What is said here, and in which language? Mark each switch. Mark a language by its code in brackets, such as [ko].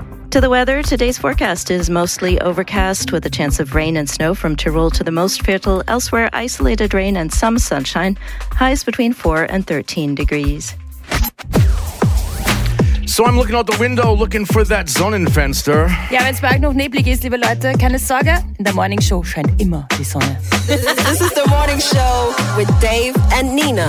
[en] To the weather, today's forecast is mostly overcast with a chance of rain and snow from Tyrol to the Most Viertel. Elsewhere, isolated rain and some sunshine, highs between 4 and 13 degrees. So I'm looking out the window, looking for that Sonnenfenster. [de] Ja, wenn es bei euch noch neblig ist, liebe Leute, keine Sorge. In der Morning Show scheint immer die Sonne. [en] This is the Morning Show with Dave and Nina.